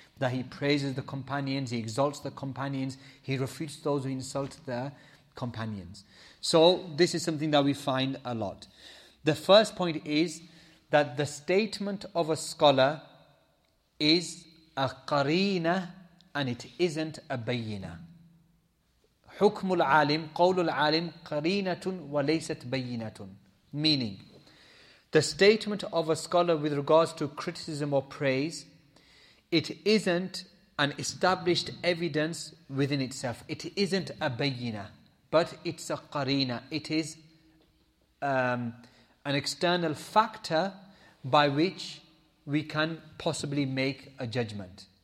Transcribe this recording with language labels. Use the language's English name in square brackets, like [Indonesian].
[English] that he praises the companions, he exalts the companions, he refutes those who insult the companions. So this is something that we find a lot. The first point is that the statement of a scholar is a qarina and it isn't a bayina. [Arabic] حكم العالم قول العالم قرينة وليست بينة. [English] Meaning, the statement of a scholar with regards to criticism or praise, it isn't an established evidence within itself. It isn't a bayina, but it's a qarina. It is an external factor by which we can possibly make a judgment.